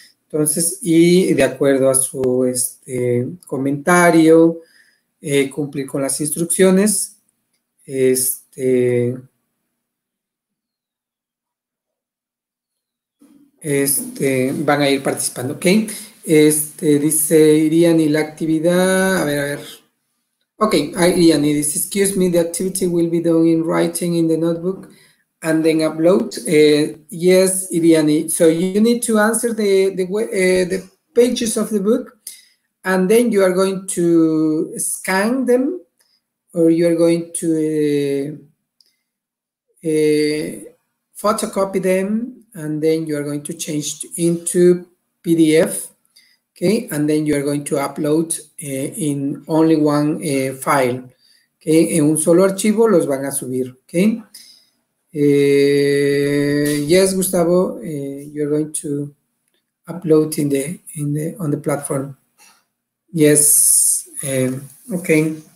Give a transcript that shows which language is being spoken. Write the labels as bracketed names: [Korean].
[Spanish] Entonces, y de acuerdo a su comentario, cumplir con las instrucciones, van a ir participando, ¿ok? Dice Iriani, la actividad, a ver, a ver. Ok, Iriani dice, [English] excuse me, the activity will be done in writing in the notebook. And then upload. Yes, Iriani. So you need to answer the pages of the book, and then you are going to scan them, or you are going to photocopy them, and then you are going to change into PDF. Okay, and then you are going to upload in only one file. [Spanish] Okay, en un solo archivo los van a subir. [English] Okay. Yes, Gustavo, you're going to upload on the platform. Yes, okay.